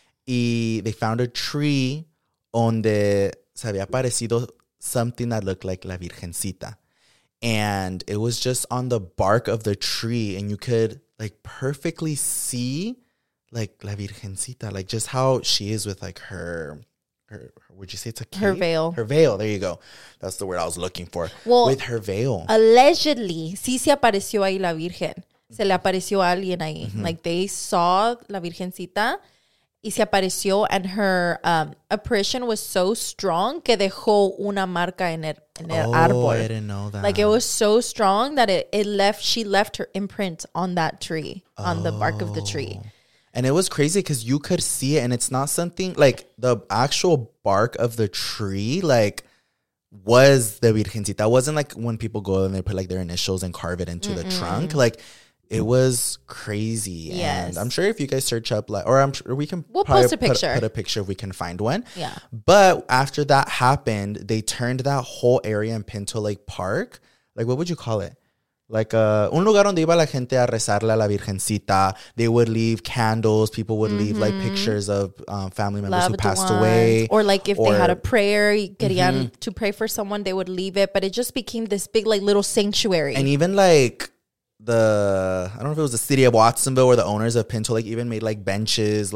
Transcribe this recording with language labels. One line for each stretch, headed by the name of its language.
English: They found a tree donde se había aparecido something that looked like La Virgencita. And it was just on the bark of the tree, and you could like perfectly see... like La Virgencita, like just how she is with like her would you say it's a cape? Her veil. Her veil. There you go. That's the word I was looking for. Well, with her veil.
Spanish: Allegedly, sí se apareció ahí la Virgen. Se le apareció a alguien ahí. Mm-hmm. Like they saw La Virgencita y se apareció and her apparition was so strong que dejó una marca en el árbol.
English: Oh, I didn't know that. Like it was so strong that she left her imprint on that tree, on the bark of the tree. And it was crazy because you could see it and it's not something like the actual bark of the tree like was the Virgencita. That wasn't like when people go and they put like their initials and carve it into the trunk. Like It was crazy. Yes. And I'm sure if you guys search up, like, or I'm sure we can we'll post a picture if we can find one. Yeah. But after that happened, they turned that whole area in Pinto Lake Park. Like, what would you call it?
Spanish: Like, un lugar donde iba la gente a rezarle a la Virgencita.
English: They would leave candles. People would leave, like, pictures of family members who passed away. Or, like, if they had a prayer, querían to pray for someone, they would leave it. But it just became this big, like, little sanctuary. And even, like, the, I don't know if it was the city of Watsonville or the owners of Pinto, like, even made, like, benches.